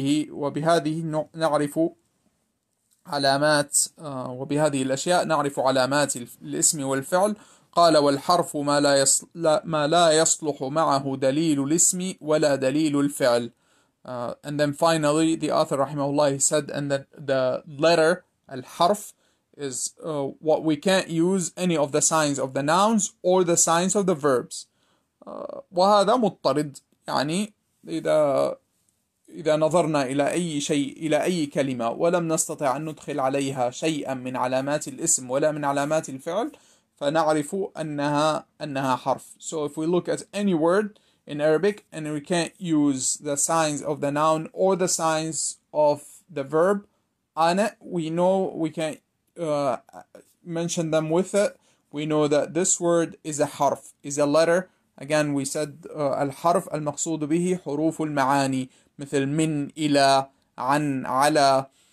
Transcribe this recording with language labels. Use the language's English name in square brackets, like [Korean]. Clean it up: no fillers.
[Arabic] وبهذه نعرف علامات، وبهذه الأشياء نعرف علامات الاسم والفعل. قال والحرف ما لا يصلح معه دليل الاسم ولا دليل الفعل. [English] And then finally the author رحمه الله he said and that the letter الحرف is what we can't use any of the signs of the nouns or the signs of the verbs. [Arabic] وهذا مضطرد، يعني إذا نظرنا إلى أي شيء، إلى أي كلمة، ولم نستطع أن ندخل عليها شيئا من علامات الاسم ولا من علامات الفعل، فنعرف أنها حرف. [English] So if we look at any word in Arabic, and we can't use the signs of the noun or the signs of the verb on it. We know we can't mention them with it. We know that this word is a harf, is a letter. Again, we said [Arabic] al-harf al-maqsood bihi huruf al-ma'ani, مثل من إلى عن على